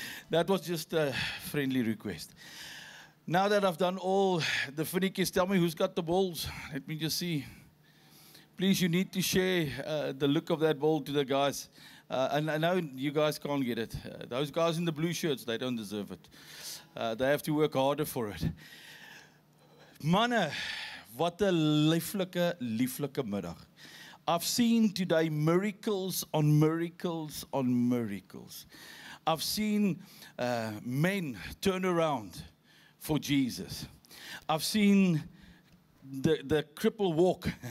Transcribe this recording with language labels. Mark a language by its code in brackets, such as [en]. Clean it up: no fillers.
[en] That was just a friendly request. Now that I've done all the finickies, tell me who's got the balls. Let me just see. Please, you need to share the look of that ball to the guys. And I know you guys can't get it. Those guys in the blue shirts, they don't deserve it. They have to work harder for it. [af] Manne, wat 'n lieflike, lieflike middag. [en] I've seen today miracles on miracles on miracles. I've seen men turn around for Jesus. I've seen the cripple walk.